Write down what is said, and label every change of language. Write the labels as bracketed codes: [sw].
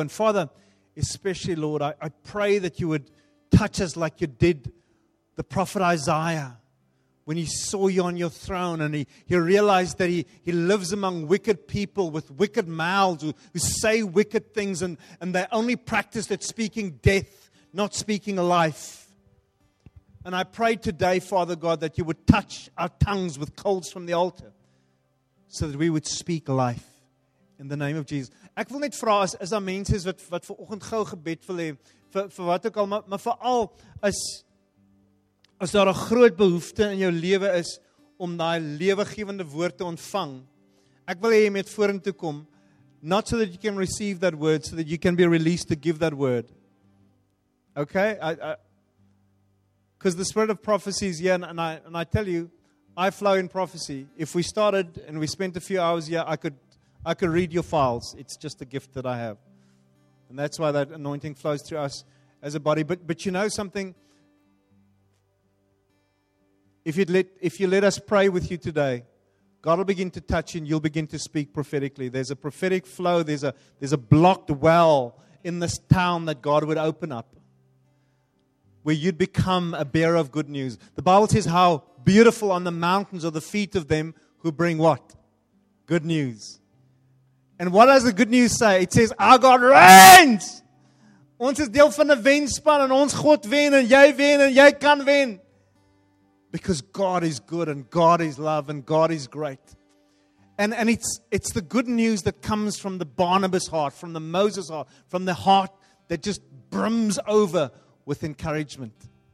[en] And Father, especially Lord, I pray that you would touch us like you did the prophet Isaiah when he saw you on your throne and he realized that he lives among wicked people with wicked mouths who say wicked things and they only practice at speaking death, not speaking life. And I pray today, Father God, that you would touch our tongues with coals from the altar so that we would speak life in the name of Jesus. [af] Ek wil net vra as daar mense is wat ver oggend gou gebed wil hê vir wat ook al, maar veral as daar 'n groot behoefte in jou lewe is om daai lewegewende woord te ontvang. Ek wil hê jy moet vorentoe kom, [en] not so that you can receive that word, so that you can be released to give that word. Okay? Because the spirit of prophecy is here, and I tell you, I flow in prophecy. If we started and we spent a few hours here, I could read your files. It's just a gift that I have. And that's why that anointing flows through us as a body. But you know something? If you let us pray with you today, God will begin to touch you and you'll begin to speak prophetically. There's a prophetic flow. There's a blocked well in this town that God would open up where you'd become a bearer of good news. The Bible says how beautiful on the mountains are the feet of them who bring what? Good news. And what does the good news say? It says, our God reigns. [af] Ons is deel van 'n wenspan en ons God wen en jy wen en jy kan wen. [en] Because God is good and God is love and God is great. And it's the good news that comes from the Barnabas heart, from the Moses heart, from the heart that just brims over with encouragement.